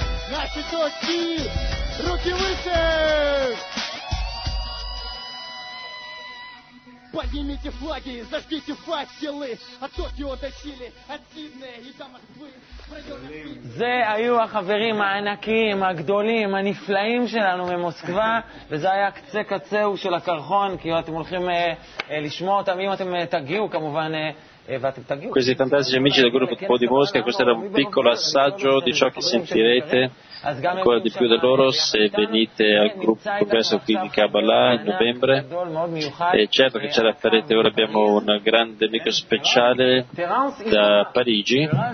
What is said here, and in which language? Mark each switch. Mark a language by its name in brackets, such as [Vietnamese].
[Russian] Наши точки! Руки выше! Поднимите флаги, зажгите факелы, от Токио до Чили, от Сиднея и до Москвы. [Hebrew] זה היו החברים הענקים, הגדולים, הנפלאים שלנו ממוסקבה, וזה היה קצה קצהו של הקרחון, כי אתם הולכים לשמוע אותם, אם אתם תגיעו כמובן, ואתם תגיעו. [Italian] Questi fantastici amici del gruppo Po di Mosca, questo era un piccolo assaggio di ciò che sentirete, ancora di più di loro se venite al gruppo congresso qui di Kabbalah in novembre. E certo che ce la farete, ora abbiamo un grande amico speciale da Parigi.